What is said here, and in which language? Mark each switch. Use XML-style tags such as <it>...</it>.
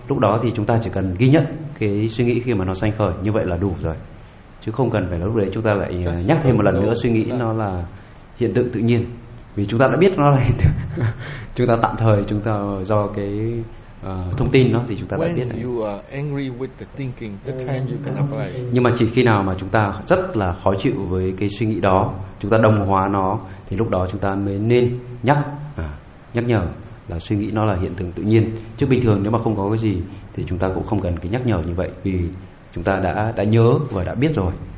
<vi>Lúc đó thì chúng ta chỉ cần ghi nhận cái suy nghĩ khi mà nó sanh khởi, như vậy là đủ rồi, chứ không cần phải lúc đấy chúng ta lại nhắc thêm một lần nữa suy nghĩ nó là hiện tượng tự nhiên, vì chúng ta đã biết nó là hiện tượng. Chúng ta tạm thời chúng ta do cái thông tin nó thì chúng ta</vi> <en>when</en> <vi>đã biết</vi> <en>you are angry with the thinking, the time you can apply.</en> <vi>Nhưng mà chỉ khi nào mà chúng ta rất là khó chịu với cái suy nghĩ đó, chúng ta đồng hóa nó, thì lúc đó chúng ta mới nên nhắc nhắc nhở là suy nghĩ nó là hiện tượng tự nhiên. Chứ bình thường nếu mà không có cái gì thì chúng ta cũng không cần cái nhắc nhở như vậy, vì chúng ta đã nhớ và đã biết rồi.</vi>